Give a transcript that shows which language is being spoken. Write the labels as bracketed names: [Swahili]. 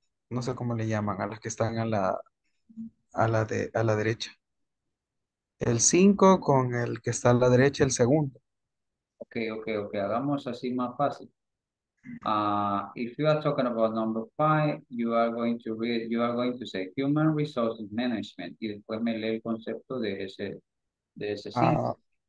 [Spanish] No sé cómo le llaman a las que están a la derecha. El 5 con el que está a la derecha, el segundo. Ok. Hagamos así más fácil. [English] If you are talking about number 5, you are going to say human resources management. [Spanish] Y después me lee el concepto de ese 5.